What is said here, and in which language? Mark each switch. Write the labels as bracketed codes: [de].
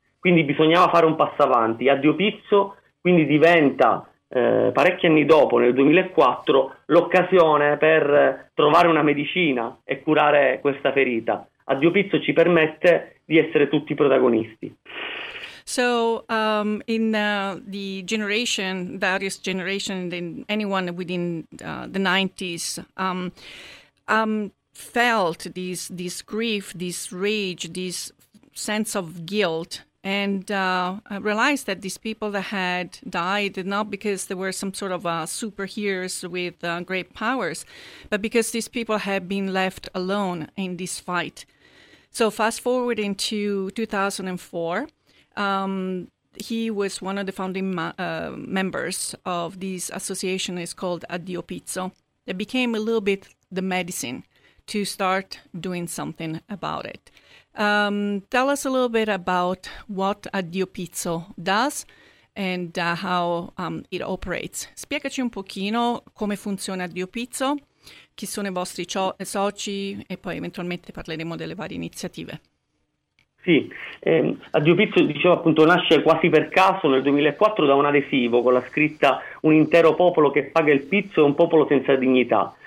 [it] Quindi bisognava fare un passo avanti. Addio Pizzo quindi diventa, parecchi anni dopo, nel 2004, l'occasione per trovare una medicina e curare questa ferita. Addio Pizzo ci permette di essere tutti protagonisti. [en] So in the generation, Dario's generation, then anyone within the 90s felt this grief, this rage, this sense of guilt. And I realized that these people that had died, not because they were some sort of superheroes with great powers, but because these people had been left alone in this fight. So fast forward into 2004, he was one of the founding members of this association. It's called Addio Pizzo. It became a little bit the medicine to start doing something about it. Tell us a little bit about what Addio Pizzo does and how it operates. [it] Spiegaci un pochino come funziona Addio Pizzo, chi sono i vostri soci e poi eventualmente parleremo delle varie iniziative. Sì, Addio Pizzo, dicevo appunto, nasce quasi per caso nel 2004 da un adesivo con la scritta "Un intero popolo che paga il pizzo è un popolo senza dignità".